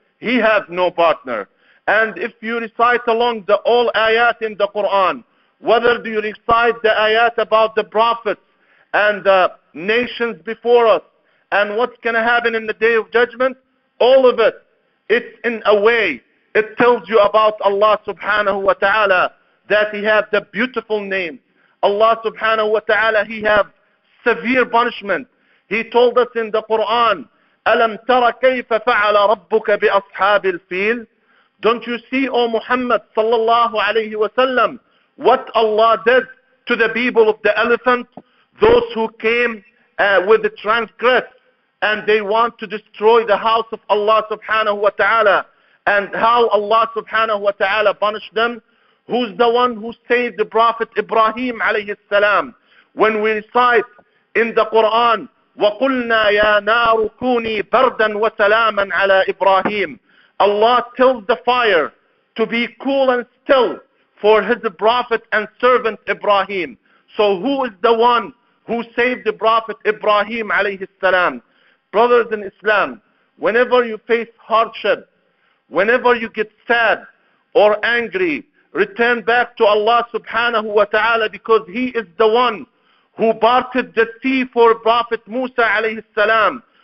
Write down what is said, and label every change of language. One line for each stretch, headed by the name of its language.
English: He has no partner. And if you recite along the all ayat in the Quran, whether do you recite the ayat about the prophets and the nations before us and what's going to happen in the day of judgment, all of it, it's in a way, it tells you about Allah subhanahu wa ta'ala, that He has the beautiful name. Allah subhanahu wa ta'ala, He has severe punishment. He told us in the Quran,
Arabic: أَلَمْ تَرَ كَيْفَ فَعَلَ رَبُّكَ بِأَصْحَابِ الْفِيلِ.
English: Don't you see, O Muhammad sallallahu alayhi wa sallam, what Allah did to the people of the elephant, those who came with the transgress, and they want to destroy the house of Allah subhanahu wa ta'ala, and how Allah subhanahu wa ta'ala punished them. Who's the one who saved the Prophet Ibrahim alayhi salam? When we recite in the Quran,
Arabic: وَقُلْنَا يَا نَارُ كُونِي بَرْدًا وَسَلَامًا عَلَىٰ إِبْرَاهِيمٍ.
English: Allah tells the fire to be cool and still for His prophet and servant Ibrahim. So who is the one who saved the Prophet Ibrahim alayhi salam? Brothers in Islam, whenever you face hardship, whenever you get sad or angry, return back to Allah subhanahu wa ta'ala, because He is the one who parted the sea for Prophet Musa alayhi salam.